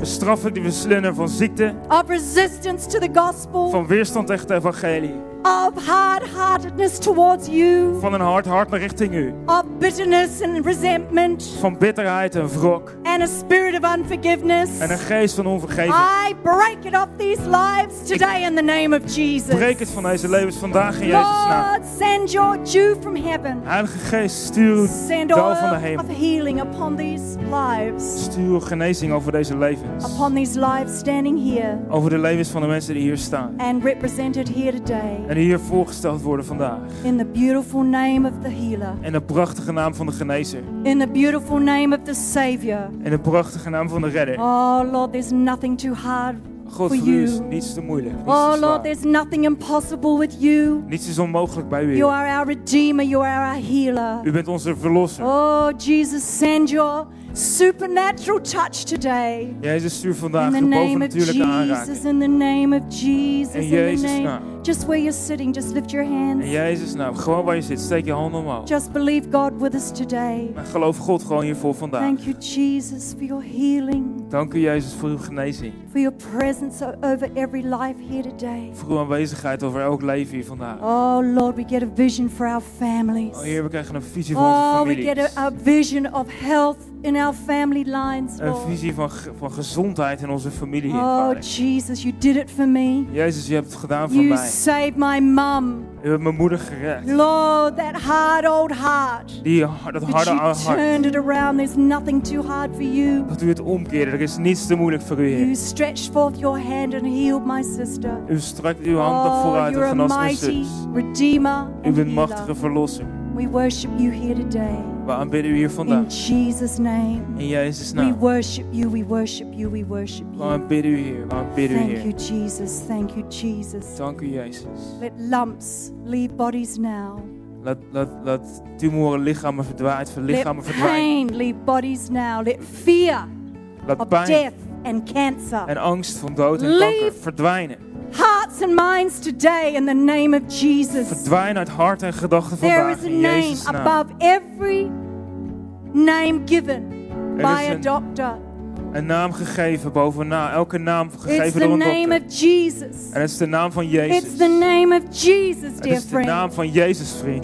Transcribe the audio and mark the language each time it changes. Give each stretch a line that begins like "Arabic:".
Dutch: Bestraf ik de verslinder van ziekte.
English: Of resistance to the gospel.
Dutch: Van weerstand tegen het evangelie.
English: Of hard-heartedness towards you.
Dutch: Van een hard hart naar richting u.
English: Of bitterness and resentment.
Dutch: Van bitterheid en wrok.
English: And a spirit of unforgiveness.
Dutch: En een geest van onvergeving.
English: I break it off these lives today in the name of Jesus.
Dutch: Breek het van deze levens vandaag in Jezus naam.
English: Lord, send your dew from heaven.
Dutch: Heilige Geest, stuur dauw van de hemel.
English: Of healing upon these lives.
Dutch: Stuur genezing over deze levens.
English: Upon these lives standing here.
Dutch: Over de levens van de mensen die hier staan.
English: And represented here today.
Dutch: En hier voorgesteld worden vandaag.
English: In the beautiful name of the healer.
Dutch: In de prachtige naam van de genezer.
English: In the beautiful name of the savior.
Dutch: In de prachtige naam van de redder.
English: Oh Lord, there's nothing too hard
Dutch: God,
English: for you.
Dutch: God, voor u is niets te moeilijk. Niets oh te zwaar.
English: Lord, there's nothing impossible with you.
Dutch: Niets is onmogelijk bij u.
English: You are our redeemer, you are our healer.
Dutch: U bent onze verlosser.
English: Oh Jesus, send your supernatural touch today.
Dutch: Jezus, stuur vandaag een bovennatuurlijke aanraking.
English: Jesus, in the name of Jesus,
Dutch: in Jezus' naam.
English: Just where you're sitting, just lift your hands.
Dutch: In Jezus' naam, gewoon waar je zit, steek je handen omhoog.
English: Just believe God with us today.
Dutch: En geloof God gewoon hiervoor vandaag.
English: Thank you, Jesus, for your healing.
Dutch: Dank u, Jezus, voor uw genezing.
English: For your presence over every life here today.
Dutch: Voor uw aanwezigheid over elk leven hier vandaag.
English: Oh Lord, we get a vision for our families.
Dutch: Oh Heer, we krijgen een visie oh, voor onze families.
English: Oh, we get a vision of health in our family lines, Lord.
Dutch: Een visie van gezondheid in onze familie. Oh Vader.
English: Jesus, you did it for me.
Dutch: Jezus, je hebt het gedaan voor mij.
English: Save my mom.
Dutch: U hebt mijn moeder gered.
English: Lord, that hard old heart.
Dutch: Die dat harde oude hart.
English: But you turned it around. There's nothing too hard for you.
Dutch: Dat u het omkeerde. Er is niets te moeilijk voor u, Heer.
English: You stretched forth your hand and healed my sister.
Dutch: U strekt uw hand naar vooruit en genas mijn zus.
English: Oh, you're a mighty redeemer.
Dutch: U bent machtige verlosser.
English: We worship you here today.
Dutch: We aanbidden u hier vandaag.
English: In Jesus' name.
Dutch: In Jezus' naam.
English: We worship you. We worship you. We worship you.
Dutch: We aanbidden u hier. We aanbidden u hier.
English: Thank you, Jesus. Thank you, Jesus.
Dutch: Dank u, Jezus.
English: Let lumps leave bodies now.
Dutch: Laat tumoren lichamen verdwijnen.
English: Pain leave bodies now. Let fear of death and cancer.
Dutch: En angst van dood en kanker verdwijnen.
English: Hearts and minds today in the name of Jesus.
Dutch: Verdwijn uit hart en gedachten vandaag.
English: There is a name above every name given by a doctor.
Dutch: Een naam gegeven bovenaan elke naam gegeven door een dokter.
English: It's the name of Jesus.
Dutch: En het is de naam van Jezus.
English: It's the name of Jesus, dear friend.
Dutch: Het is de naam van Jezus, vriend.